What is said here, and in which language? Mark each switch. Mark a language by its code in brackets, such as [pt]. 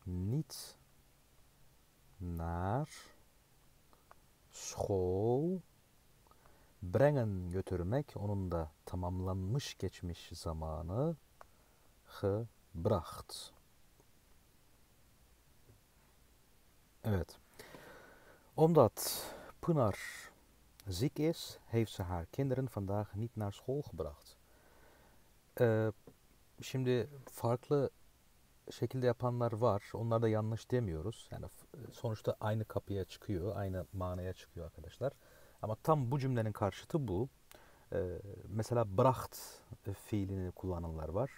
[nl] Nicht nach school bringen [tr] götürmek onun da tamamlanmış geçmiş zamanı gebracht. Evet. [nl] Omdat Pınar ziek is, heeft ze haar kinderen vandaag niet naar school gebracht. [tr] Şimdi farklı şekilde yapanlar var. Onlar da yanlış demiyoruz. Yani sonuçta aynı kapıya çıkıyor, aynı manaya çıkıyor arkadaşlar. Ama tam bu cümlenin karşıtı bu. Mesela bracht fiilini kullananlar var.